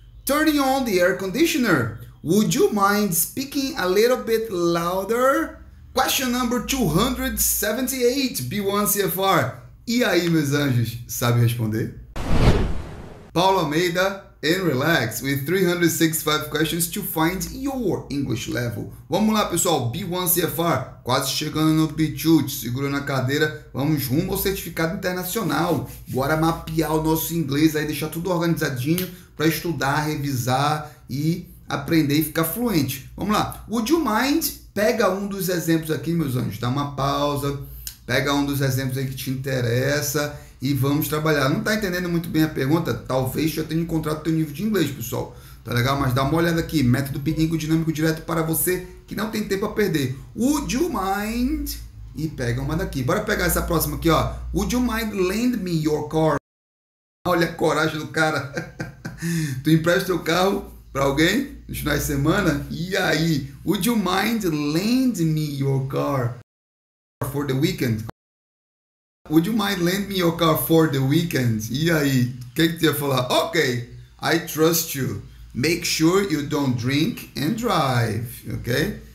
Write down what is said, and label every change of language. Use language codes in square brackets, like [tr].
[en] Turning on the air conditioner. Would you mind speaking a little bit louder? Question number 278, B1CFR. [pt] E aí, meus anjos, sabe responder? [en] Paulo Almeida, and relax with 365 questions to find your English level. [pt] Vamos lá, pessoal, B1CFR, quase chegando no B2, te segura na cadeira, vamos rumo ao certificado internacional. Bora mapear o nosso inglês aí, deixar tudo organizadinho para estudar, revisar e aprender e ficar fluente. Vamos lá. [en] Would you mind? [pt] Pega um dos exemplos aqui, meus anjos, dá uma pausa. Pega um dos exemplos aí que te interessa e vamos trabalhar. Não tá entendendo muito bem a pergunta? Talvez já tenha encontrado teu nível de inglês, pessoal. Tá legal? Mas dá uma olhada aqui. Método bilíngue dinâmico direto para você que não tem tempo a perder. [en] Would you mind? [pt] E pega uma daqui. Bora pegar essa próxima aqui, ó. [en] Would you mind lend me your car? [pt] Olha a coragem do cara. Tu empresta teu carro pra alguém no final de semana? E aí? [en] Would you mind lend me your car for the weekend? Would you mind lend me your car for the weekend? [pt] E aí? O que tu ia falar? [en] Ok, I trust you. Make sure you don't drink and drive, ok?